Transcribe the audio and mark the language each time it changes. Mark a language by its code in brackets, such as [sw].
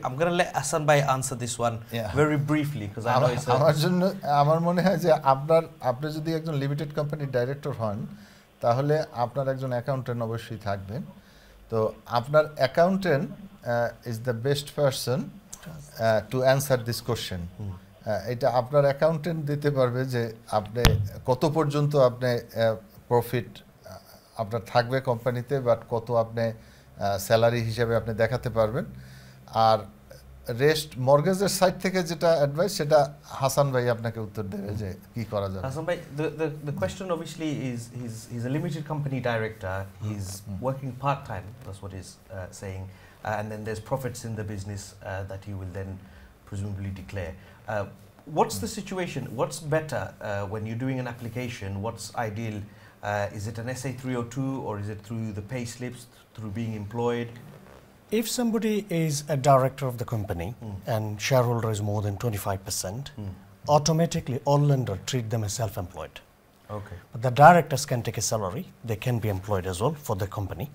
[en] I'm going to let Hassan bhai answer this one very briefly, because [bn] আমার মনে হয় যে আপনি যদি একজন লিমিটেড কোম্পানি ডাইরেক্টর হন, তাহলে আপনার একজন অ্যাকাউন্ট্যান্ট অবশ্যই থাকবেন। তো আপনার accountant [en] Is the best person to answer this question. [bn] এটা আপনার অ্যাকাউন্ট্যান্ট দিতে পারবে যে আপনি কত পর্যন্ত আপনি প্রফিট আপনার থাকবে কোম্পানিতে, বাট কত আপনি স্যালারি হিসেবে আপনি দেখাতে পারবেন। আর রেস্ট মর্গেজের সাইড থেকে যেটা অ্যাডভাইস, সেটা হাসান ভাই আপনাকে উত্তর দেবে যে কি করা যাবে। [en] হাসান ভাই, the question obviously is his a limited company director, he is working part time, that's what is saying, and then there's profits in the business that he will then presumably declare. What's the situation, what's better when you doing an application, what's ideal? Is it an SA-302 or is it through the pay slips, through being employed? If somebody is a director of the company and shareholder is more than 25%, automatically all lender treat them as self-employed. Okay. But the directors can take a salary, they can be employed as well for the company.